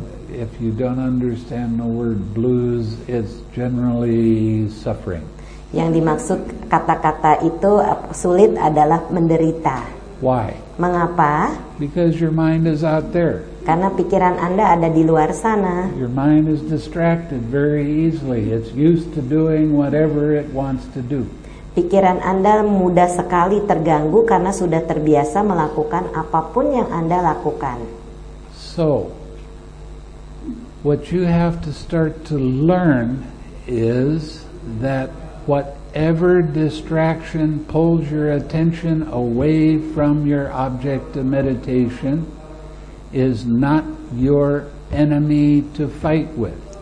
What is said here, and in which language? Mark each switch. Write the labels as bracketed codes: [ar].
[en] If you don't understand the word blues, it's generally suffering. [id] Yang dimaksud kata-kata itu sulit adalah menderita. [en] Why? [id] Mengapa? [en] Because your mind is out there. [id] Karena pikiran Anda ada di luar sana. [en] Your mind is distracted very easily. It's used to doing whatever it wants to do. [id] Pikiran Anda mudah sekali terganggu karena sudah terbiasa melakukan apapun yang Anda lakukan. [en] So, what you have to start to learn is that whatever distraction pulls your attention away from your object of meditation is not your enemy to fight with.